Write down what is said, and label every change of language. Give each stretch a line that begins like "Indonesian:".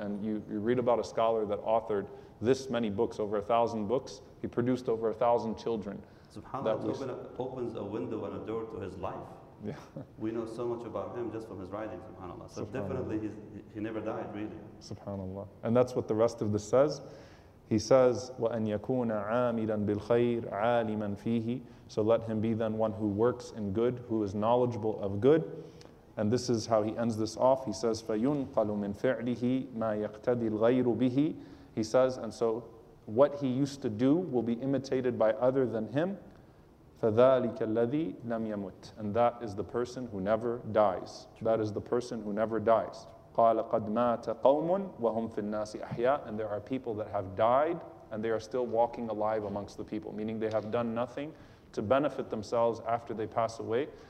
English: And you read about a scholar that authored this many books, over 1,000 books. He produced over 1,000 children. SubhanAllah, that opens a window and a door to his life. Yeah. We know so much about him just from his writing, SubhanAllah. So SubhanAllah. Definitely he never died, really. SubhanAllah. And that's what the rest of this says.
Arabic: He says, وَأَنْ يَكُونَ عَامِلًا بِالْخَيْرِ عَالِمًا فِيهِ.
English: So let him be then one who works in good, who is knowledgeable of good. And this is how he ends this off.
Arabic: He says, فَيُنْقَلُ مِنْ فِعْلِهِ مَا يَقْتَدِي الْغَيْرُ بِهِ.
English: He says, and so what he used to do will be imitated by other than him.
Arabic: فَذَٰلِكَ الَّذِي لَمْ يَمُتْ.
English: And that is the person who never dies. That is the person who never dies.
Arabic: قَالَ قَدْ مَاتَ قَوْمٌ وَهُمْ فِي النَّاسِ أَحْيَاءَ.
English: And there are people that have died and they are still walking alive amongst the people, meaning they have done nothing to benefit themselves after they pass away.